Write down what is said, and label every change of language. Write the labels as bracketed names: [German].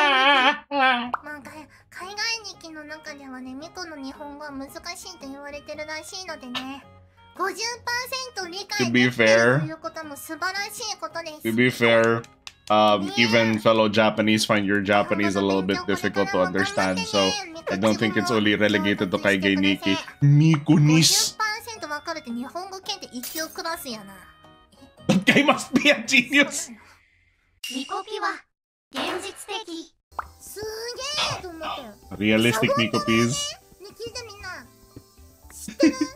[Japanese] まあ、海外日記の中ではね、ミコの日本語は難しいと言われてるらしいのでね、50% 理解できてるということも素晴らしいことです。 [English] To be fair, even fellow Japanese find your Japanese a little bit difficult to understand, so I don't think it's only relegated to 海外日記。 [Japanese] ミコニス。 50%わかるって日本語検定1級クラスやな。 [English] That guy must be a genius! [Japanese] ミコピは現実的。すげーと思ったよ。 Realistic ミコピーズ。聞いてみんな。知ってる？